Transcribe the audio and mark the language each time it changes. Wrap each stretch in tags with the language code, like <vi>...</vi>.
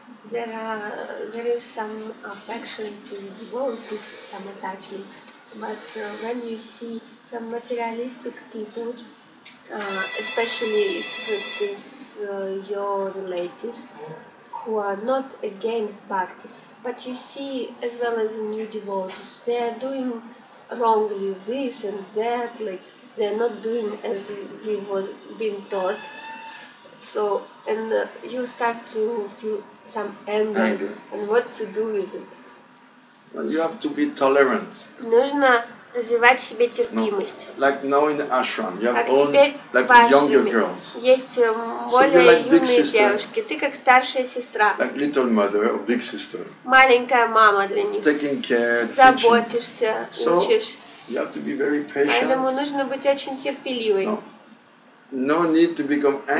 <en>There is some affection to devotees, some attachment, but when you see some materialistic people, especially with your relatives, who are not against bhakti, but you see as well as the new devotees, they are doing wrongly this and that, like they are not doing as we were being taught. So, and you start to feel some anger, and what to do with it? Well, you have to be tolerant.</en> <ru>Нужно развивать в себе терпимость.</ru> <en>No. Like now in the ashram, you have all like younger girls.</en> <ru>Есть более юные девушки. Ты как старшая сестра.</ru> <en>Like little mother or big sister.</en> <ru>Маленькая мама для них.</ru> <en>Taking care,</en> <ru>заботишься, учишь.</ru> <en>So, you have to be very patient.</en> <ru>Поэтому нужно быть очень терпеливой.</ru> <en>No need to become angry.</en>